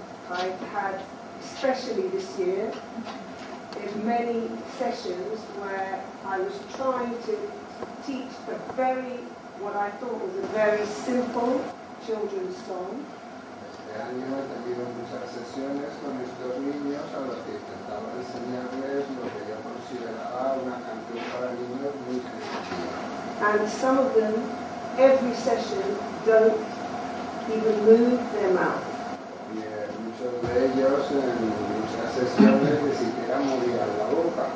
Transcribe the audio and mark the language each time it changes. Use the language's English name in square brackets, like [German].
[English] I've had, especially this year, in many sessions where I was trying to teach what I thought was a very simple children's song. [Spanish] Este año he tenido muchas sesiones con estos niños a los que intentaba enseñarles lo que yo consideraba una canción para niños muy sencilla. [English] And some of them, every session, don't even move their mouth. [Spanish] Y muchos de ellos en muchas sesiones ni siquiera movían la boca.